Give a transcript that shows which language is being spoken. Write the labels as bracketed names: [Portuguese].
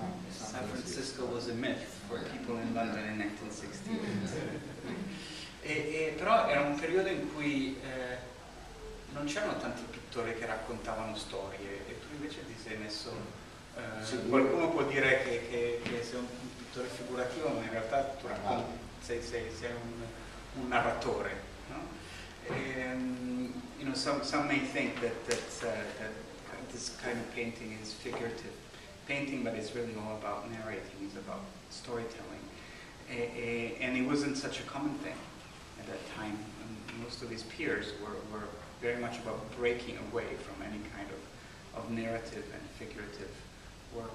[English] San Francisco was a myth for people in London in 1968. [Italian] E però era un periodo in cui non c'erano tanti pittori che raccontavano storie, e tu invece ti sei messo. Qualcuno può dire che sei un pittore figurativo, ma in realtà tu racconti, sei un narratore, no? [English] You know, some may think that this kind of painting is figurative painting, but it's really all about narrating, it's about storytelling. And it wasn't such a common thing at that time. And most of his peers were very much about breaking away from any kind of narrative and figurative work.